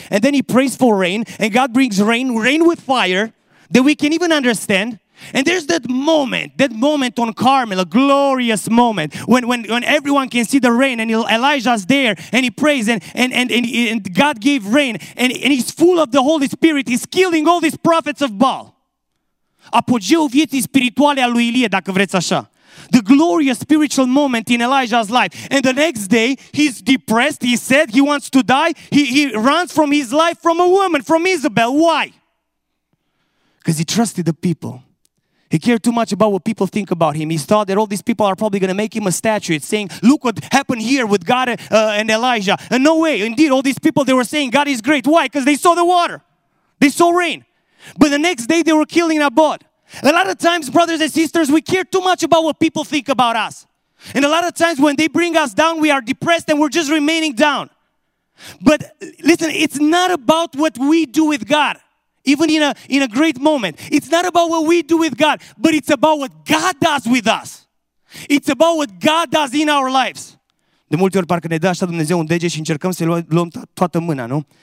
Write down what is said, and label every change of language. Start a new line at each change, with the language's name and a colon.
English: And then he prays for rain. And God brings rain, rain with fire that we can even understand. And there's that moment on Carmel, a glorious moment when everyone can see the rain and Elijah's there and he prays and God gave rain and he's full of the Holy Spirit. He's killing all these prophets of Baal.
Romanian: Apogeul vieții spirituale a lui Ilie, dacă vreți așa.
English: The glorious spiritual moment in Elijah's life. And the next day, he's depressed. He said he wants to die. He runs from his life from a woman, from Isabel. Why? Because he trusted the people. He cared too much about what people think about him. He thought that all these people are probably going to make him a statue. It's saying, look what happened here with God and Elijah. And no way. Indeed, all these people, they were saying God is great. Why? Because they saw the water. They saw rain. But the next day, they were killing Naboth. A lot of times, brothers and sisters, we care too much about what people think about us. And a lot of times when they bring us down, we are depressed and we're just remaining down. But listen, it's not about what we do with God, even in a great moment. It's not about what we do with God, but it's about what God does with us. It's about what God does in our lives.
Romanian: De multe ori parcă ne dă așa Dumnezeu un dege și încercăm să-i luăm toată mâna, nu?